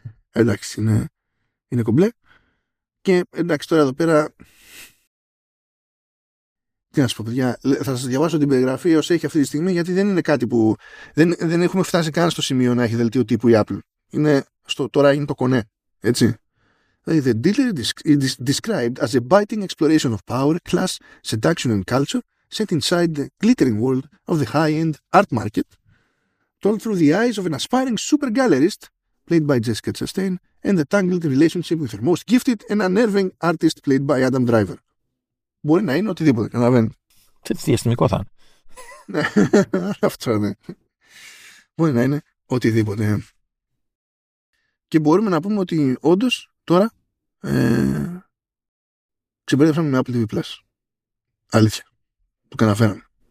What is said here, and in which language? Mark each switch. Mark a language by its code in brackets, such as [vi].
[el] Εντάξει, είναι κομπλέ. Και εντάξει, τώρα εδώ πέρα. Τι να σας πω, παιδιά, θα σας διαβάσω την περιγραφή όσο έχει αυτή τη στιγμή, γιατί δεν είναι κάτι που δεν έχουμε φτάσει καν στο σημείο να έχει δελτίο τύπου η Apple. Τώρα είναι το κονέ, έτσι. [en] The dealer is described as a biting exploration of power, class, seduction and culture set inside the glittering world of the high-end art market, told through the eyes of an aspiring super gallerist played by Jessica Chastain and the tangled relationship with her most gifted and unnerving artist played by Adam Driver. [el] Μπορεί να είναι οτιδήποτε, καταλαβαίνετε. Τι διαστημικό θα είναι. Ναι, αυτό είναι. Μπορεί να είναι οτιδήποτε. Και μπορούμε να πούμε ότι όντως τώρα ξεμπέρδεψαμε με Apple TV Plus. Αλήθεια. Το καταφέραμε.